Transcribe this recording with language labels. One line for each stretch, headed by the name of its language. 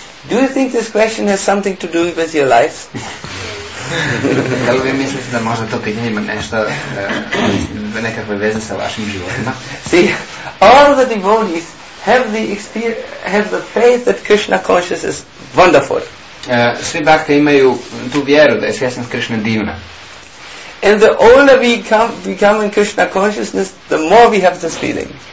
English: Do you think this question has something to do with your life?
Croatian: Da li vi mislite da možda to pitanje ima nešto, nekakve veze sa vašim životima?
English: See, all the devotees have the experience, have the faith that Krishna consciousness is wonderful.
Croatian: Svi bhakti imaju tu vjeru da je svjesnost Krišne divna.
English: And the older we become in Krishna consciousness, the more we have this feeling.